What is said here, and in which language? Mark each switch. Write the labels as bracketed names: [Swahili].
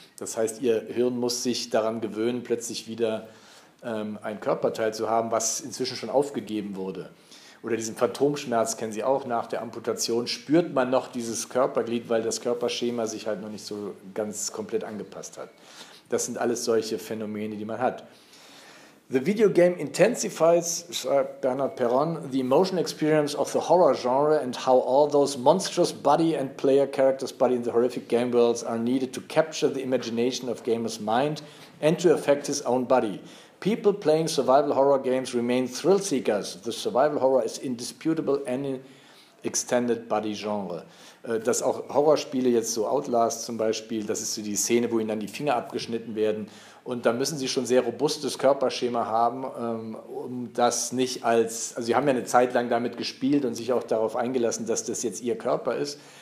[German] Das heißt, ihr Hirn muss sich daran gewöhnen, plötzlich wieder ein Körperteil zu haben, was inzwischen schon aufgegeben wurde. Oder diesen Phantomschmerz kennen Sie auch, nach der Amputation spürt man noch dieses Körperglied, weil das Körperschema sich halt noch nicht so ganz komplett angepasst hat. Das sind alles solche Phänomene, die man hat. [English] The video game intensifies, [German] schreibt [English] Bernard Perron, the emotional experience of the horror genre and how all those monstrous body and player characters body in the horrific game worlds are needed to capture the imagination of gamer's mind and to affect his own body. People playing survival horror games remain thrill seekers. The survival horror is indisputable any extended body genre. [German] dass auch Horrorspiele, jetzt so Outlast zum Beispiel, das ist so die Szene, wo ihnen dann die Finger abgeschnitten werden. Und da müssen sie schon sehr robustes Körperschema haben, um das nicht als, also sie haben ja eine Zeit lang damit gespielt und sich auch darauf eingelassen, dass das jetzt ihr Körper ist.